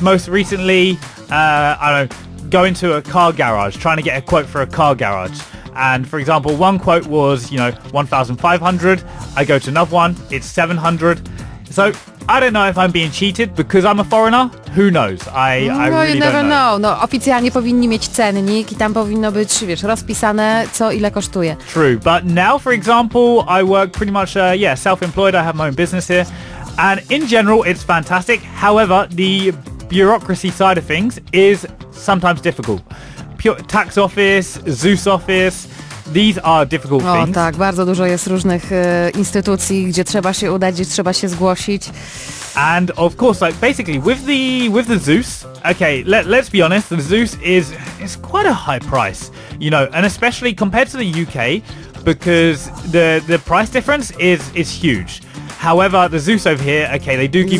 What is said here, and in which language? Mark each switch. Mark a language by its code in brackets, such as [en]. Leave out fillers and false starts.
[en] Most recently, going to a car garage, trying to get a quote for a car garage. And for example, one quote was, you know, 1,500. I go to another one, it's 700. So I don't know if I'm being cheated because I'm a foreigner. Who knows? I really don't know. [pl] No, oficjalnie powinni mieć cennik i tam powinno być, wiesz, rozpisane, co ile kosztuje. [en] True. But now, for example, I work pretty much, self-employed. I have my own business here. And in general, it's fantastic. However, the bureaucracy side of things is sometimes difficult. Tax office, ZUS office, these are difficult things. [pl] O tak, bardzo dużo jest różnych instytucji, gdzie trzeba się udać, gdzie trzeba się zgłosić. [en] And of course, like basically with the ZUS, okay, let's be honest, the ZUS is quite a high price, you know, and especially compared to the UK, because the price difference is huge. However, the ZUS over here, okay, they do give